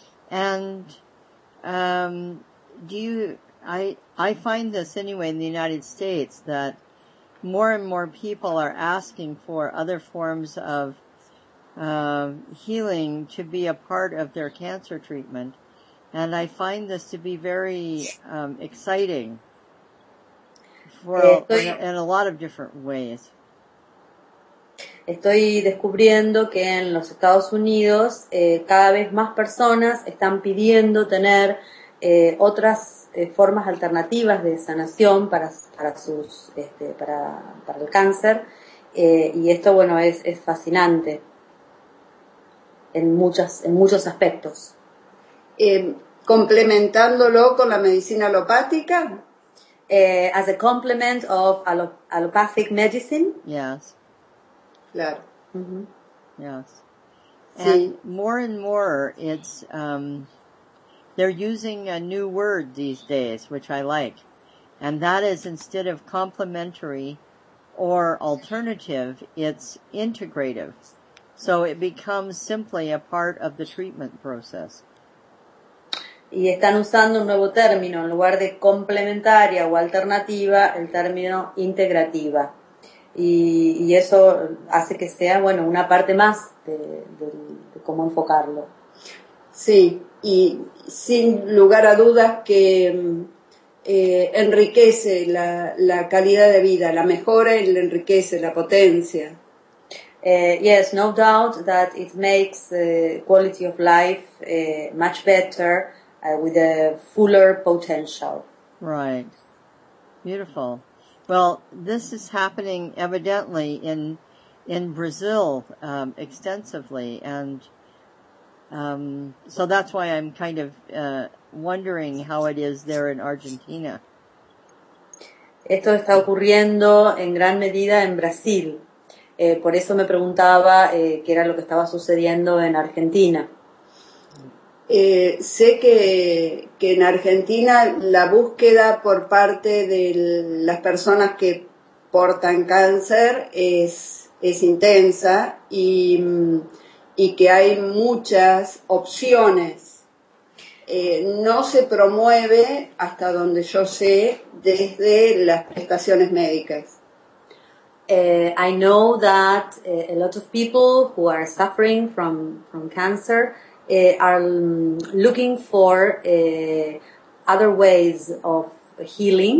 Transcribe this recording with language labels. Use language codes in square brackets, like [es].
[en] And I find this anyway in the United States, that more and more people are asking for other forms of healing to be a part of their cancer treatment. And I find this to be very exciting for in a lot of different ways. [es] Estoy descubriendo que en los Estados Unidos cada vez más personas están pidiendo tener otras formas alternativas de sanación para el cáncer, y esto, bueno, es fascinante en muchos aspectos. Complementándolo con la medicina alopática, [en] as a complement of allopathic medicine. Yes. [es] Claro. [en] Mm-hmm. Yes. And sí. More and more it's they're using a new word these days, which I like. And that is, instead of complementary or alternative, it's integrative. So it becomes simply a part of the treatment process. [es] Y están usando un nuevo término. En lugar de complementaria o alternativa, el término integrativa. Y eso hace que sea, bueno, una parte más de cómo enfocarlo. Sí, y sin lugar a dudas que enriquece la calidad de vida, la mejora y la enriquece, la potencia. [en] Yes, no doubt that it makes the quality of life much better with a fuller potential. Right. Beautiful. Well, this is happening evidently in Brazil extensively, and so that's why I'm kind of wondering how it is there in Argentina. [es] Esto está ocurriendo en gran medida en Brasil. Por eso me preguntaba qué era lo que estaba sucediendo en Argentina. Sé que en Argentina la búsqueda por parte de las personas que portan cáncer es intensa y que hay muchas opciones. No se promueve, hasta donde yo sé, desde las prestaciones médicas. [en] I know that a lot of people who are suffering from cancer are looking for other ways of healing.